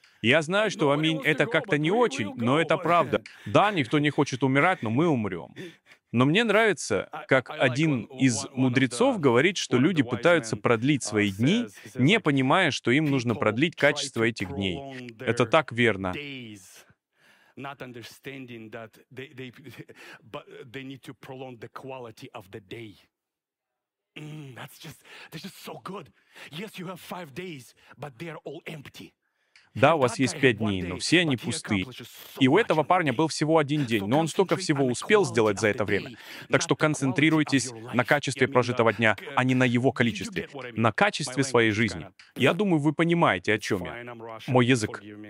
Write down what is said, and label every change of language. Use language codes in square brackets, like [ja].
[ru] Я знаю, что «Аминь» — это как-то не очень, но это правда. Да, никто не хочет умирать, но мы умрем. Но мне нравится, как один из мудрецов говорит, что люди пытаются продлить свои дни, не понимая, что им нужно продлить качество этих дней. Это так верно. [en] Not understanding that they need to prolong the quality of the day. That's just so good. Yes, you have 5 days, but they are all empty. [ru] Да, у вас есть 5 дней, но все они пусты. И у этого парня был всего 1 день, но он столько всего успел сделать за это время. Так что концентрируйтесь на качестве прожитого дня, а не на его количестве. На качестве своей жизни. Я думаю, вы понимаете, о чем я. Мой язык.